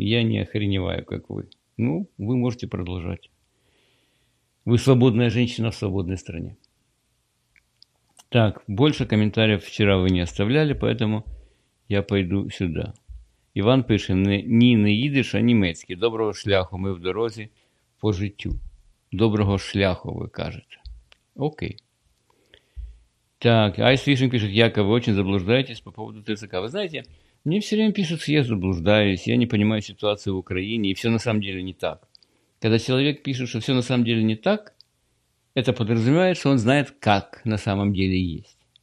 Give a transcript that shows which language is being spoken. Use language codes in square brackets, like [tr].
[ru] Я не охреневаю, как вы. Ну, вы можете продолжать. Вы свободная женщина в свободной стране. Так, больше комментариев вчера вы не оставляли, поэтому я пойду сюда. Иван пишет, не на идиш, а немецкий. [uk] Доброго шляху, мы в дорозі по життю. Доброго шляху, [ru] вы кажете. Окей. Так, Айс Фишинг пишет, Яков, вы очень заблуждаетесь по поводу ТЦК. Вы знаете, мне все время пишут, что я заблуждаюсь, я не понимаю ситуацию в Украине, и все на самом деле не так. Когда человек пишет, что все на самом деле не так, это подразумевает, что он знает, как на самом деле есть.